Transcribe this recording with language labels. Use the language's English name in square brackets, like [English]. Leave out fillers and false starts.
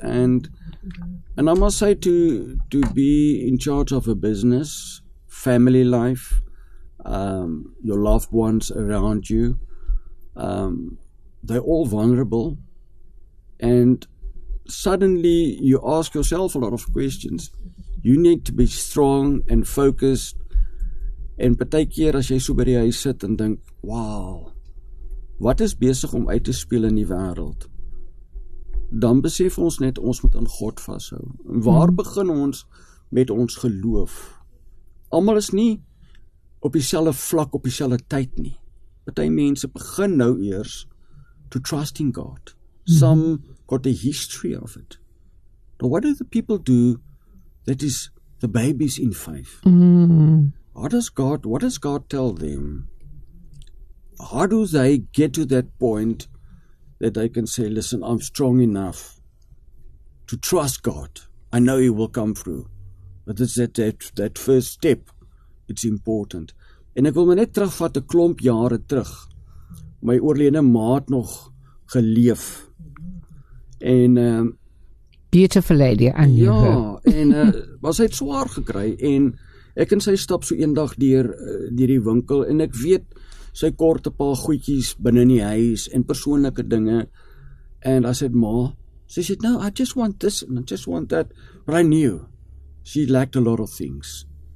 [English] And I must say, to be in charge of a business, family life, your loved ones around you, they're all vulnerable. And suddenly you ask yourself a lot of questions. You need to be strong and focused. [Afrikaans] En partykeer as jy so by die huis sit en dink, wow, wat is besig om uit te speel in die wêreld? Dan besef ons net, ons moet aan God vashou. Waar begin ons met ons geloof? Almal is nie op dieselfde vlak, op dieselfde tyd nie. Party mense begin nou eers [English] to trust in God. Some got a history of it. But what do the people do that is the babies in faith. Mm. What does God tell them? How do they get to that point that they can say, listen, I'm strong enough to trust God. I know He will come through. But it's that first step. It's important. [Afrikaans] En ek wil my net terugvat 'n klomp jare terug. My oorlede ma het nog geleef. En [English] beautiful lady, I knew [Afrikaans] ja, [English] her. [Afrikaans] Ja, en was hy het swaar gekry. En ek en sy stap so eendag deur die winkel. En ek weet, sy kort 'n paar goedjies binne in die huis en persoonlike dinge. En as het ma, sy sê, [English] no, I just want this and I just want that. But I knew, she lacked a lot of things.